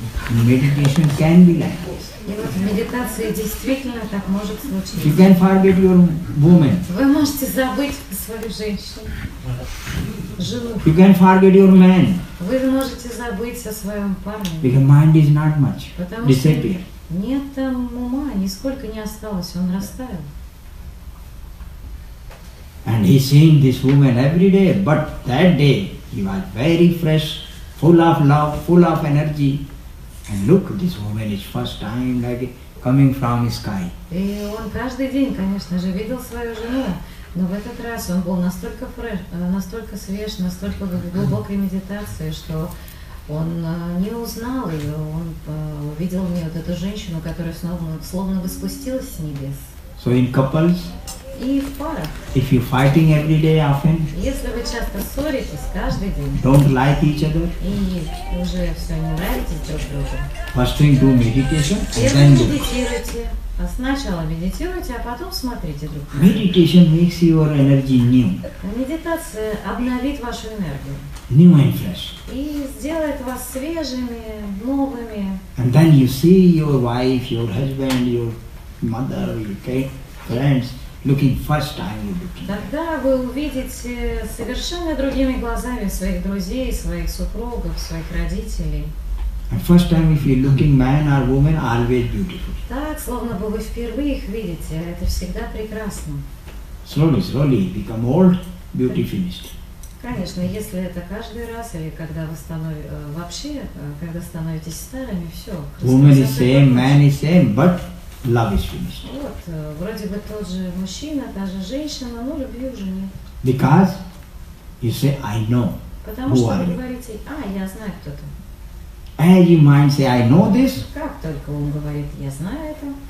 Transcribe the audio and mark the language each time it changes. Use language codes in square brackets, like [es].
[en] Meditation can be like this. [ru] И вот в медитации действительно так может случиться. [en] You can forget your woman. [ru] Вы можете забыть свою женщину, жену. [en] You can forget your man. [ru] Вы можете забыть о своем парне. [en] Because mind is not much. [ru] Потому [en] disappear. [ru] Нет там ума, нисколько не осталось, он растаял. [en] And he seen this woman every day, but that day he was very fresh, full of love, full of energy. And look, this woman is first time like coming from the sky. [ru] И он каждый день, конечно же, видел свою жену, но в этот раз он был настолько фреш, настолько свеж, настолько в глубокой медитации, что он не узнал ее, он увидел в ней вот эту женщину, которая снова, словно бы спустилась с небес. [en] So in couples, [ru] и в парах. [en] If you're fighting every day often, [ru] если вы часто ссоритесь каждый день, [en] don't like each other, [ru] и уже все не нравитесь друг другу. [en] First thing, do meditation, and then look. [ru] Медитируйте. А сначала медитируйте, а потом смотрите друг на друга. [en] Meditation makes your energy new. [ru] Медитация обновит вашу энергию. [en] New and fresh. [ru] И сделает вас свежими, новыми. [en] And then you see your wife, your husband, your mother, okay, friends, looking first time you're looking. [ru] Тогда вы увидите совершенно другими глазами своих друзей, своих супругов, своих родителей. [en] And first time if you're looking man or woman, always beautiful. [ru] Так, словно бы вы впервые их видите, это всегда прекрасно. [en] Slowly, slowly, become old, beauty finished. [ru] Конечно, если это каждый раз, или когда вы становитесь, вообще, когда становитесь старыми, все. [en] Woman is same, man is same, but love is finished. [ru] Вот, вроде бы тот же мужчина, та же женщина, но любви уже нет. [en] Because you say, I know. [ru] Потому [en] who [ru] что [en] are [ru] вы [en] you? [ru] Говорите, а, я знаю, кто ты. [en] As your mind say, I know this. [ru] Как только он говорит, я знаю это.